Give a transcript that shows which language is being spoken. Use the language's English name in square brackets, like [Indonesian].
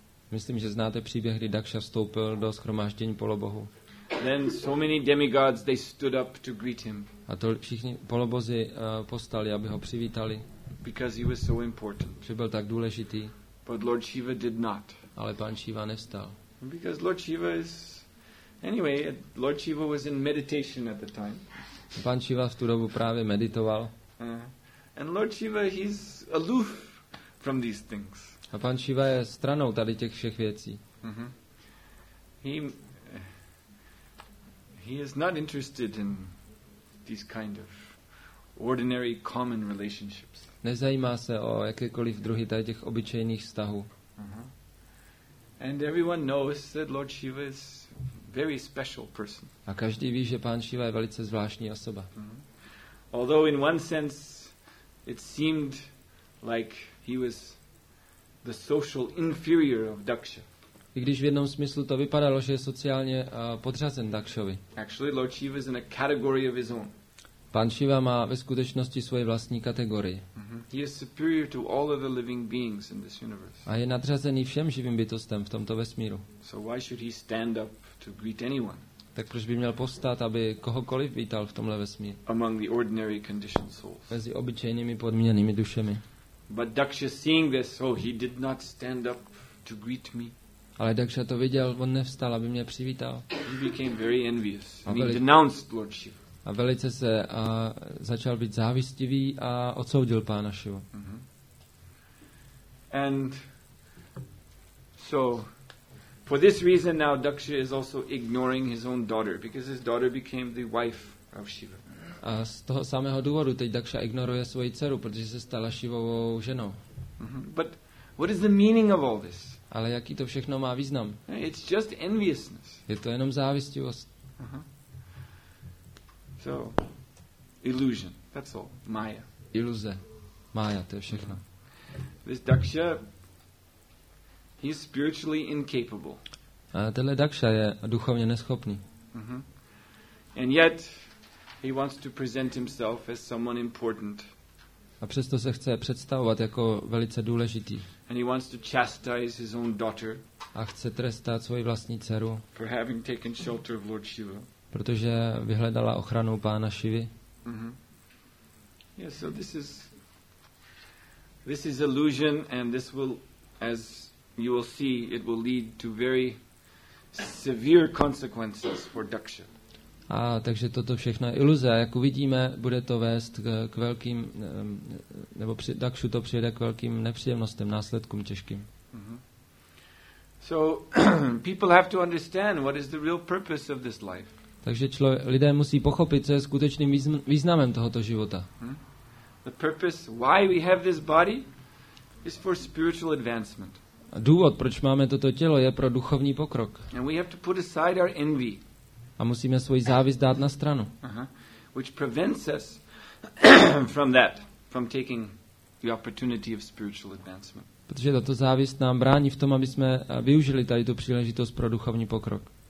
[Czech] Myslím, že znáte příběh, kdy Daksha vstoupil do shromáždění polobohů. [English] Then so many demigods they stood up to greet him. [Czech] A to všichni polobozy postali, aby ho přivítali. [English] Because he was so important. [Czech] Že byl tak důležitý. [English] But Lord Shiva did not. [Czech] Ale pan Shiva nevstal. [English] Because Lord Shiva is anyway, Lord Shiva was in meditation at the time. [Czech] Pan Shiva v tu dobu právě meditoval. [English] And Lord Shiva he's aloof from these things. [Czech] A pan Shiva je stranou tady těch všech věcí. [English] He is not interested in these kind of ordinary common relationships. [Czech] Nezajímá se o jakékoliv druhy tady těch obyčejných vztahů. [English] And everyone knows that Lord Shiva is very special person. [Czech] A každý ví, že pán Shiva je velice zvláštní osoba. [English] Although in one sense it seemed like he was the social inferior of Daksha. [Czech] I když v jednom smyslu to vypadalo, že je sociálně podřazen Dakšovi. [English] Actually Lord Shiva is in a category of his own. [Czech] Pán Shiva má ve skutečnosti svoji vlastní kategorii. [English] He is superior to all of the living beings in this universe. [Czech] A je nadřazený všem živým bytostem v tomto vesmíru. [English] So why should he stand up to greet anyone? [Czech] Tak proč by měl postát, aby kohokoliv vítal v tomhle vesmíru? [English] Among the ordinary conditioned souls. [Czech] Mezi obyčejnými podmíněnými dušemi. [English] But Daksha seeing this, so he did not stand up to greet me. [Czech] Ale Daksha to viděl, on nevstal, aby mě přivítal. [English] He became very envious. He denounced Lord Shiva. [Czech] A velice se začal být závistivý a odsoudil pána Shivu. [English] And so for this reason now Daksha is also ignoring his own daughter because his daughter became the wife of Shiva. [Czech] A z toho samého důvodu teď Daksha ignoruje svoji dceru, protože se stala Shivovou ženou. [English] But what is the meaning of all this? [Czech] Ale jaký to všechno má význam? [English] It's just enviousness. [Czech] Je to jenom závistivost. [English] So, illusion. That's all. Maya. [Czech] Iluze. Maya, to je všechno. [English] This Daksha, he's spiritually incapable. [Czech] A tenhle Daksha je duchovně neschopný. [English] And yet, he wants to present himself as someone important. [Czech] A přesto se chce představovat jako velice důležitý. [English] And he wants to chastise his own daughter. [Czech] A chce trestat svoji vlastní dceru. [English] For having taken shelter of Lord Shiva. [Czech] Protože vyhledala ochranu pána Šivy. [English] Yes, so this is illusion, and this will, as you will see, it will lead to very severe consequences for Daksha. [Czech] A takže toto všechno je iluze. Jak uvidíme, bude to vést k velkým, nebo Dakšu to přijede k velkým nepříjemnostem, následkům těžkým. [English] So people have to understand what is the real purpose of this life. [Czech] Takže lidé musí pochopit, co je skutečným významem tohoto života. [English] The purpose why we have this body is for spiritual advancement. [Czech] Důvod, proč máme toto tělo, je pro duchovní pokrok. [English] And we have to put aside our envy. [Czech] A musíme svoji závist dát na stranu. [English] Which prevents us from that, from taking the opportunity of spiritual advancement. [Czech] Protože tato závist nám brání v tom, aby jsme využili tady tu příležitost pro duchovní pokrok.